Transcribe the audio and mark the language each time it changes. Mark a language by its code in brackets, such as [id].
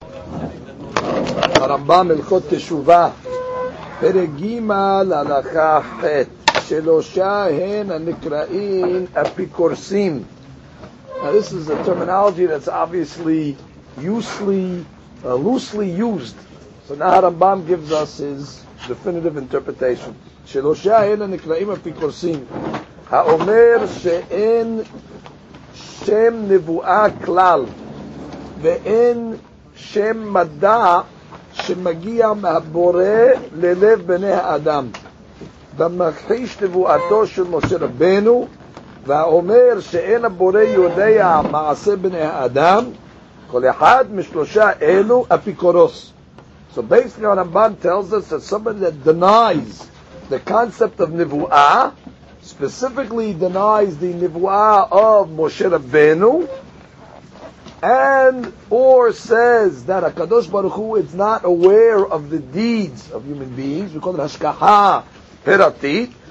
[he] הרמב״ם הלכות תשובה פרק ג' הלכה ח' שלושה הן הנקראים אפיקורסים. [en] Now this is a terminology that's obviously loosely used. So now הרמב״ם gives us his definitive interpretation. [he] שלושה הן הנקראים אפיקורסים. האומר שאין שם נבואה כלל ואין שם מדע שמגיע מהבורא ללב בני האדם, במחיש נבואתו של משה רבנו, והאומר שאין הבורא יודע מעשה בני האדם, כל אחד משלושה אלו אפיקורוס. [en] So basically what Ramban tells us that somebody that denies the concept of נבואה, specifically denies the נבואה of משה רבנו, and or says that HaKadosh Baruch Hu is not aware of the deeds of human beings, we call it Hashkaha Peratit.